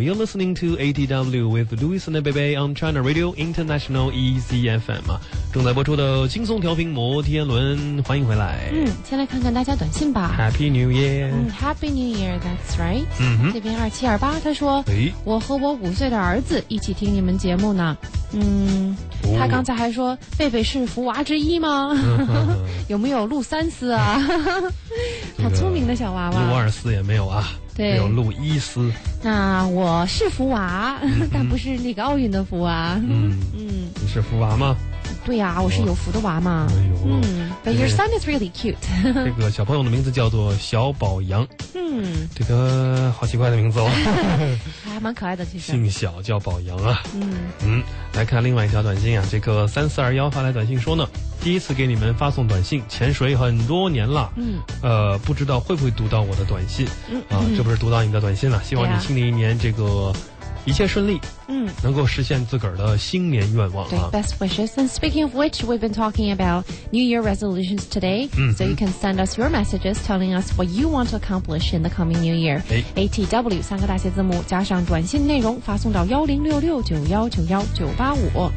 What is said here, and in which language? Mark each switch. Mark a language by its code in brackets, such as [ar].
[en] You're listening to ATW with Louis and Bebe on China Radio International EZFM. [zh] 正在播出的轻松调频摩天轮，欢迎回来。嗯，先来看看大家短信吧。 [en] Happy New Year. Happy New Year, that's right. 嗯哼， [zh] 这边2728他说、哎、我和我5岁的儿子一起听你们节目呢。嗯，他刚才还说贝贝是福娃之一吗？有没有陆三思啊？好聪明的小娃娃。陆二思也没有啊，对，没有陆一思。那我是福娃，但不是那个奥运的福娃。嗯，你是福娃吗？对呀、啊，我是有福的娃嘛。哎呦， [en] 嗯 ，But your son is really cute。 [zh] 这个小朋友的名字叫做小宝阳。嗯，这个好奇怪的名字哦。还蛮可爱的，其实。姓小叫宝阳啊。嗯嗯，来看另外一条短信啊，这个3421发来短信说呢，第一次给你们发送短信，潜水很多年了。嗯。不知道会不会读到我的短信？嗯啊，这不是读到你的短信了，希望你新的一年这个。一切顺利，嗯，能够实现自个儿的新年愿望、啊、 [en] 对 best wishes. And speaking of which, we've been talking about New Year resolutions today. 嗯， so you can send us your messages telling us what you want to accomplish in the coming New Year. [zh] ATW 三个大写字母加上短信内容发送到10669191985，